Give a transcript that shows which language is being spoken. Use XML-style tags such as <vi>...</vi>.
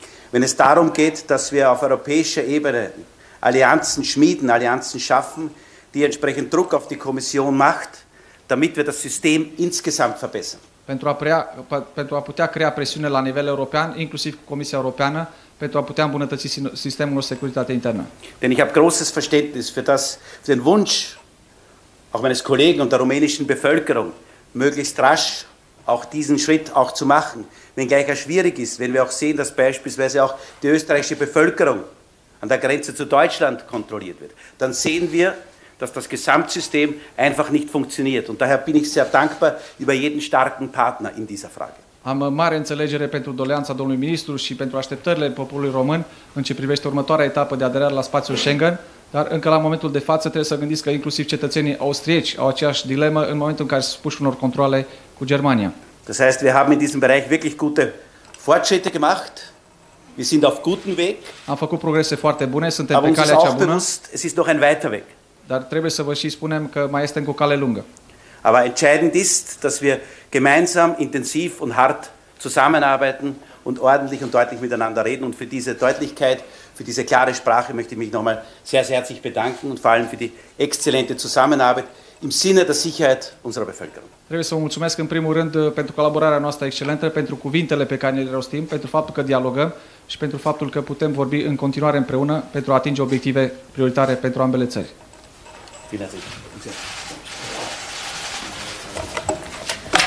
<de>Wenn es darum geht, dass wir auf europäischer Ebene Allianzen schmieden, Allianzen schaffen, die entsprechend Druck auf die Kommission macht, damit wir das System insgesamt verbessern.</de> <ro>Pentru a putea crea presiune la nivel european, inclusiv cu Comisia Europeană, pentru a putea îmbunătăți sistemul nostru de securitate internă.</ro> <de>Denn ich habe großes Verständnis für das, für den Wunsch auch meines Kollegen und der rumänischen Bevölkerung, möglichst rasch auch diesen Schritt auch zu machen, wenngleich er schwierig ist, wenn wir auch sehen, dass beispielsweise auch die österreichische Bevölkerung an der Grenze zu Deutschland kontrolliert wird, dann sehen wir, dass das Gesamtsystem einfach nicht funktioniert. Und daher bin ich sehr dankbar über jeden starken Partner in dieser Frage.</de> <ro>Am mare înțelegere pentru doleanța domnului ministru și pentru așteptările poporului român în ce privește următoarea etapă de aderare la spațiul Schengen, dar încă la momentul de față trebuie să gândiți că inclusiv cetățenii austrieci au aceeași dilemă în momentul în care se supun unor controle cu Germania.</ro> <de>Das heißt, wir haben in diesem Bereich wirklich gute Fortschritte gemacht. Wir sind auf gutem Weg.</de> <ro>Am făcut progrese foarte bune, suntem pe calea cea bună.</ro> <de>Es ist noch ein weiter Weg.</de> <ro>Dar trebuie să vă și spunem că mai este încă o cale lungă.</ro> <de>Aber entscheidend ist, dass wir gemeinsam intensiv und hart zusammenarbeiten und ordentlich und deutlich miteinander reden. Und für diese Deutlichkeit, für diese klare Sprache möchte ich mich nochmal sehr, sehr herzlich bedanken und vor allem für die exzellente Zusammenarbeit im Sinne der Sicherheit unserer Bevölkerung.</de> <ro>Trebuie să vă mulțumesc în primul rând pentru colaborarea noastră excelentă, pentru cuvintele pe care le rostim, pentru faptul că dialogăm și pentru faptul că putem vorbi în continuare împreună pentru a atinge obiective prioritare pentru ambele țări. Bine ați venit!</ro>